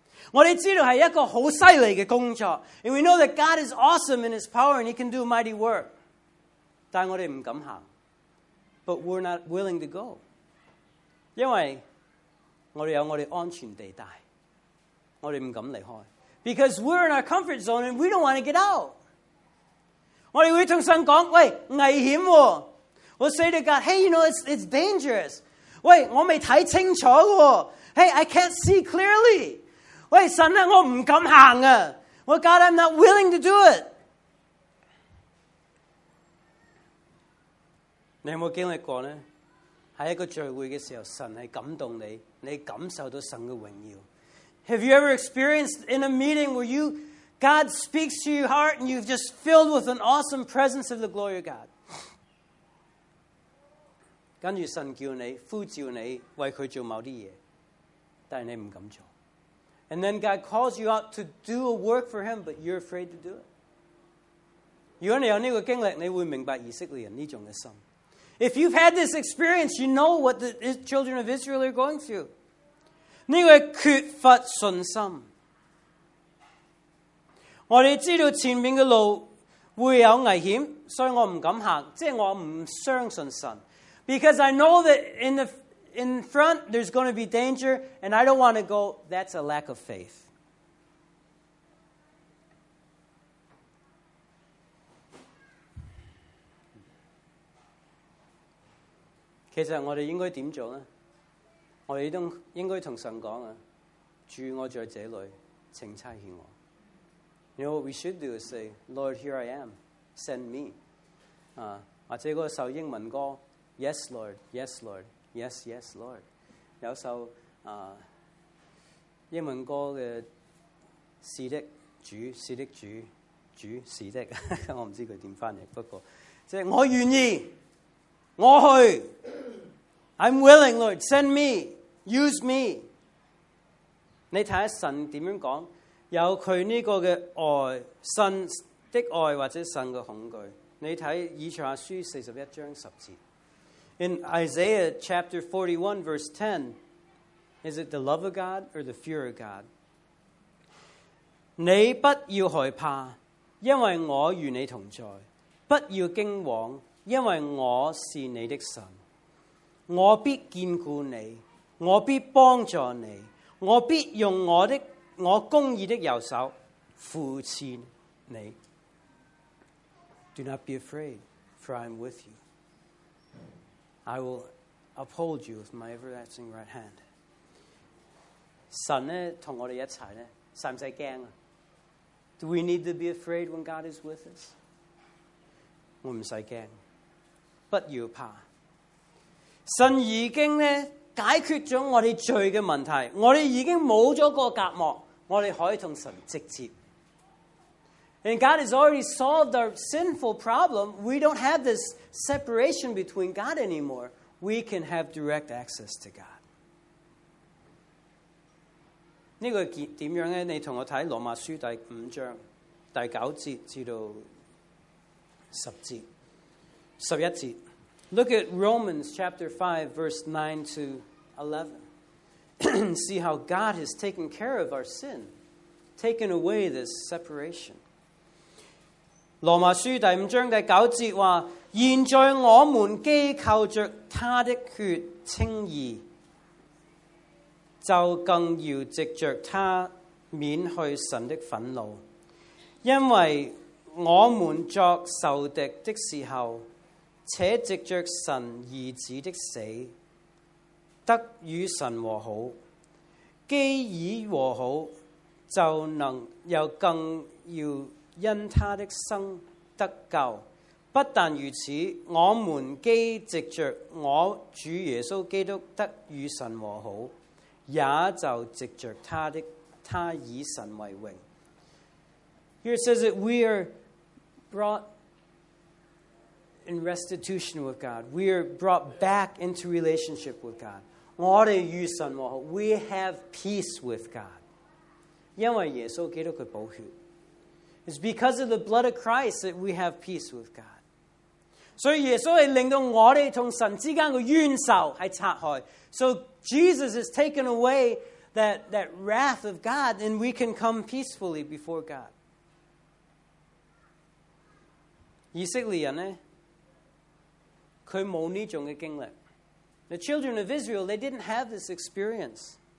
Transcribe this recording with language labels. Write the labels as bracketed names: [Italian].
[Cantonese] 我哋知道系一个好犀利嘅工作 [English] ，and we know that God is awesome in His power and He can do mighty work. [Cantonese] 但我哋唔敢行 [English] ，but we're not willing to go， [Cantonese] 因为我哋有我哋安全地带，我哋唔敢离开 [English] ，because we're in our comfort zone and we don't want to get out。 [Cantonese] 我哋会同神讲：，喂，危险、哦！ [English] 我 say to God， hey， you know it's dangerous。 [Cantonese] 喂，我未睇清楚嘅、哦、， [English] hey， I can't see clearly。 [Cantonese] 喂，神啊，我唔敢行啊 [English] ！Well， God， I'm not willing to do it。 [Cantonese] 你有冇经历过咧？喺一个聚会嘅时候，神系感动你，你感受到神嘅荣耀。 [English] Have you ever experienced in a meeting where you God speaks to your heart and you've just filled with an awesome presence of the glory of God？ [Cantonese] 跟住神叫你呼召你为佢做某啲嘢，但系你唔敢做。 [English] And then God calls you out to do a work for Him, but you're afraid to do it。 [Cantonese] 如果你有呢个经历，你会明白以色列人呢种嘅心。 [English] If you've had this experience, you know what the children of Israel are going through. [Cantonese] 呢个缺乏信心。我哋知道前面嘅路会有危险，所以我唔敢行，即系我唔相信神。 [English] Because I know that in front there's going to be danger, and I don't want to go. That's a lack of faith. [Cantonese] 其实我哋应该点做呢？我哋都应该同神讲啊，主，我在这里，请差遣我。 [English] You know what we should do is say, Lord, here I am, send me. [Cantonese] 啊，或者嗰首英文歌 [English] ，Yes, Lord, Yes, Lord, Yes, Yes, Lord。 [Cantonese] 有首啊英文歌嘅是的主，是的主，主是的，我唔知佢点翻译，不过即系我愿意。我去 [English] I'm willing, Lord. Send me. Use me. [Cantonese] 你睇下神点样讲，有佢呢个嘅爱，神的爱或者神嘅恐惧。你睇以赛亚书四十一章十节。 [English] In Isaiah chapter 41 verse 10, is it the love of God or the fear of God? [Cantonese] 你不要害怕，因为我与你同在；不要惊惶。因为我是你的神，我必坚固你，我必帮助你，我必用我公义的右手扶持你。 [English] Do not be afraid, for I am with you. I will uphold you with my everlasting right hand. [Cantonese] 神咧同我哋一齐咧，使唔使惊啊 [English] ？Do we need to be afraid when God is with us? [Cantonese] 我唔使惊。不要怕，神已经咧解决咗我哋罪嘅问题，我哋已经冇咗个隔膜，我哋可以同神直接。 [English] And God has already solved our sinful problem. We don't have this separation between God anymore. We can have direct access to God. [Cantonese] 呢个点样咧？你同我睇罗马书第五章第九节至到十节。十一节， [English] Look at Romans chapter 5, verse 9 to 11. See how God has taken care of our sin, taken away this separation. [Cantonese] 罗马书第五章第九节话：现在我们既靠着他的血称义，就更要藉着他免去神的愤怒，因为我们作仇敌的时候，且藉着神儿子的死，得与神和好。既已和好，就能又更要因他的生得救。不但如此，我们既藉着我主耶稣基督得与神和好，也就藉着他的他以神为荣。 [English] Here it says that we are brought in restitution with God. We are brought back into relationship with God. [Cantonese] 我们与神和好。 [English] We have peace with God. [Cantonese] 因为耶稣基督的宝血。 [English] It's because of the blood of Christ that we have peace with God. [Cantonese] 所以耶稣是令到我们与神之间的冤仇是拆开。 [English] So Jesus has taken away that wrath of God and we can come peacefully before God. [Cantonese] 以色列人呢他没有这种的经历。 [English] The children of Israel, they didn't have this experience.